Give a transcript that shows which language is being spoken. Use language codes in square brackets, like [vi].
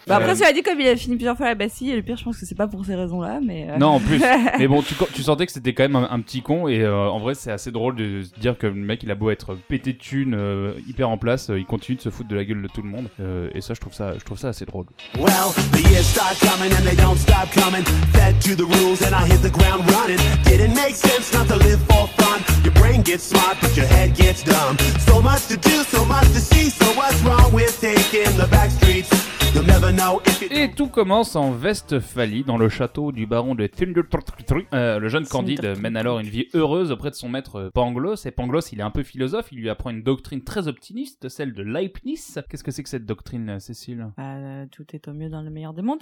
[fr] Bah après, cela dit, comme il a fini plusieurs fois à la Bastille, et le pire, je pense que c'est pas pour ces raisons-là. Mais Non, en plus. Mais bon, tu sentais que c'était quand même un petit con, et en vrai, c'est assez drôle de se dire que le mec, il a beau être pété de thunes, hyper en place, il continue de se foutre de la gueule de tout le monde. Et ça, je trouve ça assez drôle. [en] Well, the years start coming and they don't stop coming. Fed to the rules and I hit the ground running. Didn't make sense not to live for fun. Your brain gets smart but your head gets dumb. So much to do, so much to see. So what's wrong with taking the back streets? [fr] Et tout commence en Westphalie, dans le château du baron de Thundertrutru. Le jeune Candide mène alors une vie heureuse auprès de son maître Pangloss. Et Pangloss, il est un peu philosophe, il lui apprend une doctrine très optimiste, celle de Leibniz. Qu'est-ce que c'est que cette doctrine, Cécile? Tout est au mieux dans le meilleur des mondes.